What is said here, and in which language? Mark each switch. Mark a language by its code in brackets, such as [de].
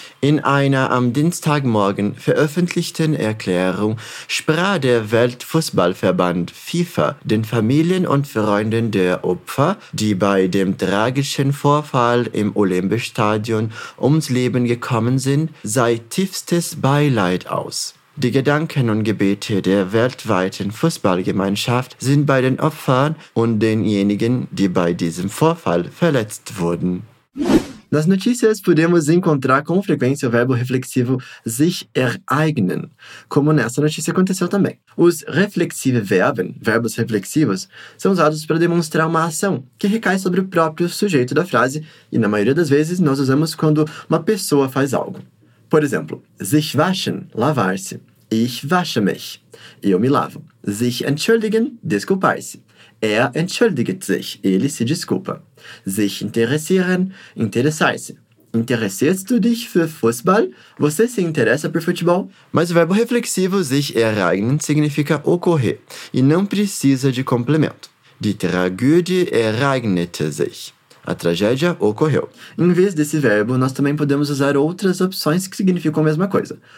[de] In einer am Dienstagmorgen veröffentlichten Erklärung sprach der Weltfußballverband FIFA den Familien und Freunden der Opfer, die bei dem tragischen Vorfall im Olympiastadion ums Leben gekommen sind, sein tiefstes Beileid aus. Die Gedanken und Gebete der weltweiten Fußballgemeinschaft sind bei den Opfern und denjenigen, die bei diesem Vorfall verletzt wurden. [pt] Nas notícias podemos encontrar com frequência o verbo reflexivo sich ereignen, como nessa notícia aconteceu também. Os reflexive verben, verbos reflexivos, são usados para demonstrar uma ação que recai sobre o próprio sujeito da frase e, na maioria das vezes, nós usamos quando uma pessoa faz algo. Por exemplo, [de] sich waschen, [pt] lavar-se. [de] Ich wasche mich, [pt] eu me lavo. [de] Sich entschuldigen, desculpar-se. Er entschuldigt sich, [pt] ele se desculpa. [de] Sich interessieren, interessar-se. Interessierst du dich für Fußball? [pt] Você se interessa por futebol? Mas o verbo reflexivo sich ereignen significa ocorrer e não precisa de complemento. [de] Die Tragödie ereignete sich. [pt] A tragédia ocorreu. Em vez desse verbo, nós também podemos usar outras opções que significam a mesma coisa.